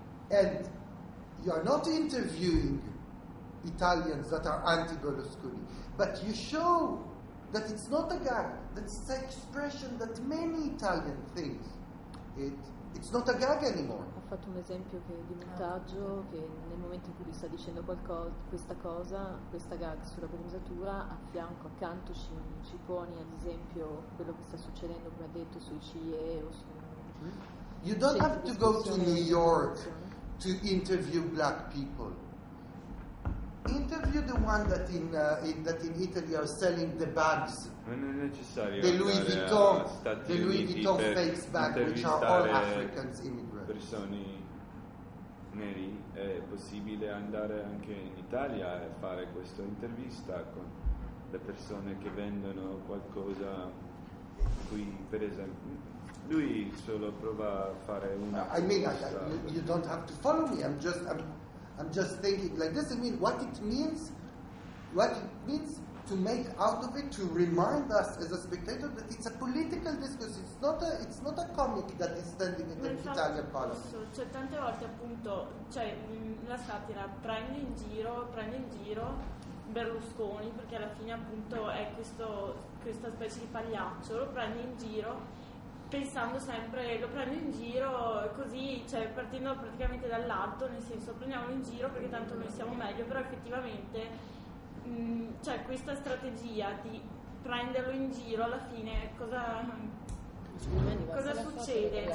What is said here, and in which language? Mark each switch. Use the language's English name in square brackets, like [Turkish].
[English] And you are not interviewing Italians that are anti-Berlusconi, but you show that it's not a gag, that's the expression that many Italian think it's not a gag anymore. [Italian] Ha fatto un esempio che di montaggio, che nel momento in cui sta dicendo qualcosa, questa cosa, questa gag sulla bronzatura, a fianco, accanto ci poni ad esempio quello che sta succedendo, come ha detto, sui CIE o su... [English] You don't have to go to New York to interview black people. Interview the one that in Italy are selling the bags. [Italian] Non è necessario. [English] The Louis Vuitton fakes bag, which are all Africans immigrants. [Italian] Persone neri, è possibile andare anche in Italia e fare questa intervista con le persone che vendono qualcosa qui, per esempio. Lui solo prova a fare una. [English] You don't have to follow me. I'm just thinking like this. I mean, what it means to make out of it, to remind us as a spectator that it's a political discourse. It's not a comic that is standing in the Italian parliament. [Italian] Cioè tante volte appunto, cioè la satira prende in giro Berlusconi, perché alla fine appunto è questa specie di pagliaccio, lo prende in giro. Pensando sempre, lo prendo in giro così, cioè partendo praticamente dall'alto, nel senso prendiamolo in giro perché tanto noi siamo meglio, però effettivamente cioè questa strategia di prenderlo in giro alla fine cosa succede?